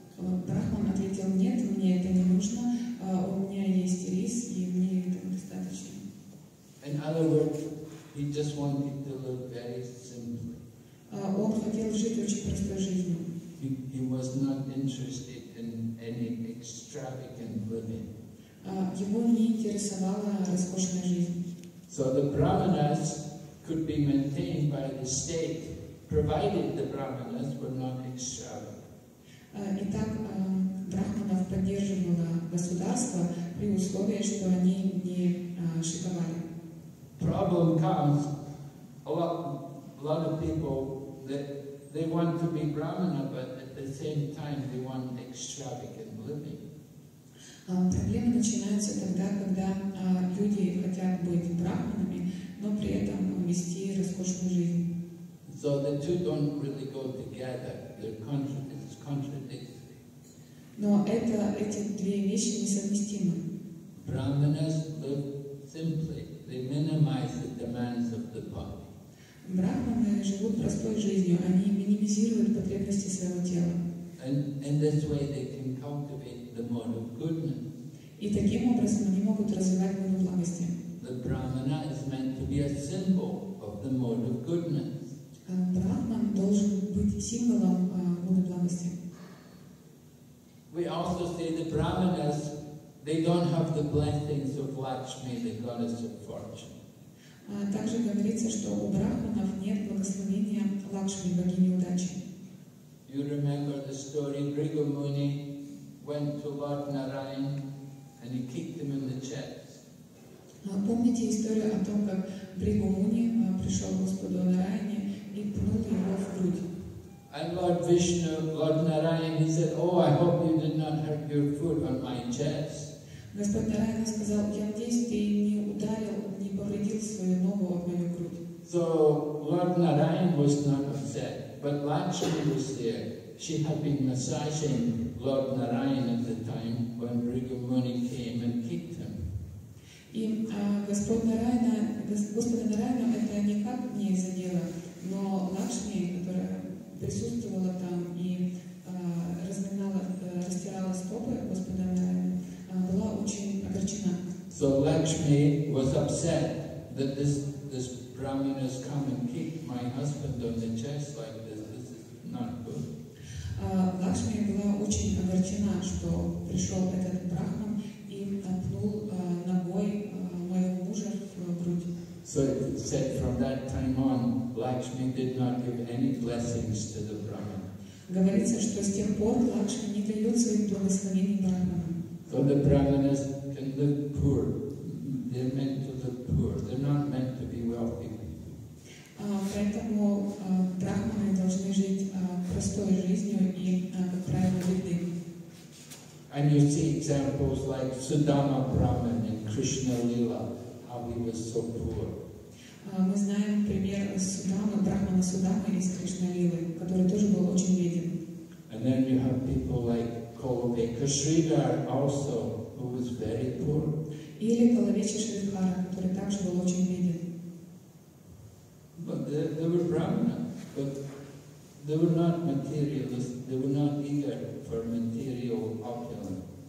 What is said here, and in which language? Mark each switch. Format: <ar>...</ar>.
<ru>И Брахман ответил, нет, мне это не нужно, у меня есть рис, и мне этого достаточно.</ru> <en>In other words, he just wanted to live very simply.</en> <ru>Он хотел жить очень простой жизнью.</ru> <en>He was not interested in any extravagant living.</en> <ru>Его не интересовала роскошная жизнь.</ru> <en>So the Brahmanas could be maintained by the state, provided the Brahmanas were not extravagant.</en> <ru>Итак, Брахманов поддерживало государство при условии, что они не шиковали.</ru> <en>Problem comes, a lot of people, they want to be Brahmana, but at the same time they want extravagant living.</en> <ru>Проблема начинается тогда, когда люди хотят быть Брахманами, но при этом вести роскошную жизнь.</ru> <en>So the two don't really go together. They're contradictory.</en> <ru>Но эти две вещи несовместимы.</ru> <en>Brahmanas live simply. They minimize the demands of the body.</en> <ru>Брахманы живут простой жизнью. Они минимизируют потребности своего тела.</ru> <en>And in this way they can cultivate the mode of goodness.</en> <ru>И таким образом они могут развивать моду благости.</ru> <en>The Brahmana is meant to be a symbol of the mode of goodness.</en> <ru>Брахман должен быть символом моды благости.</ru> <en>We also say the Brahmanas, they don't have the blessings of Lakshmi, the goddess of fortune.</en> <ru>Также говорится, что у брахманов нет благословения Лакшми, богини удачи.</ru> <en>You remember the story, Bhrigu Muni, went to Lord Narayan and he kicked him in the chest.</en> <ru>Помните историю о том, как при Гумуне пришел Господу Нараяне и пнул его в грудь.</ru> <en>And Lord Vishnu, Lord Narayan, he said, "Oh, I hope you did not hurt your foot on my chest."</en> <ru>Господь Нараяна сказал, я надеюсь, ты не ударил, не повредил свою ногу об мою грудь.</ru> <en>So Lord Narayan was not upset, but Lakshmi was there. She had been massaging Lord Narayan at the time when Bhrigu Muni came and kicked him.</en> <ru>И Господа Нараяна это никак не задело, но Лакшми, которая присутствовала там и растирала стопы Господа Нараяна, была очень огорчена.</ru> <en>So Lakshmi was upset that this Brahmin has come and kicked my husband on the chest like this. This is not good.</en> <ru>Лакшми была очень огорчена, что пришел этот Брахман и пнул ногой моего мужа в грудь.</ru> <en>So it said from that time on, Lakshmi did not give any blessings to the Brahmin.</en> <ru>Говорится, что с тех пор Лакшми не дает своих благословений Брахманам.</ru> <en>So the Brahmanas can live poor. They're meant to live poor. They're not meant to be wealthy.</en> <ru>Поэтому брахманы должны жить простой жизнью и, как правило, бедными.</ru> <en>And you see examples like Sudama Brahman in Krishna Lila, how he was so poor.</en> <ru>Мы знаем пример Судамы, брахмана Судамы из Кришна Лилы, который тоже был очень беден.</ru> <en>And then you have people like Kolaveka Sridhar also, who was very poor.</en> <ru>Или Калавеча Шридхара, который также был очень беден.</ru> <en>But they were brahmanas, but they were not materialists, they were not eager for material opulence.</en>